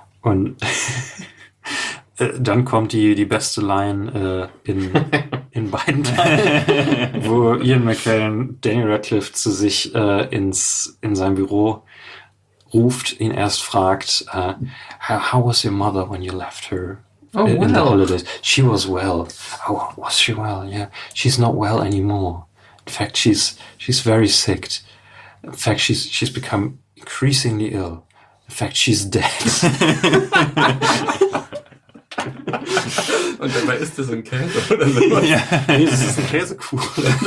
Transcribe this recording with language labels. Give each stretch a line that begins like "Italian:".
German: Und dann kommt die beste Line in beiden Teilen, wo Ian McKellen Daniel Radcliffe zu sich in sein Büro ruft, ihn erst fragt,
English: how was your mother when you left her in the holidays? She was well. Oh, was she well? Yeah, she's not well anymore. In fact, she's very sick. In fact, she's become increasingly ill. In fact, she's dead.
German: Und dabei ist das ein Käse oder so. Ja. Nee, das ist ein Käsekuchen.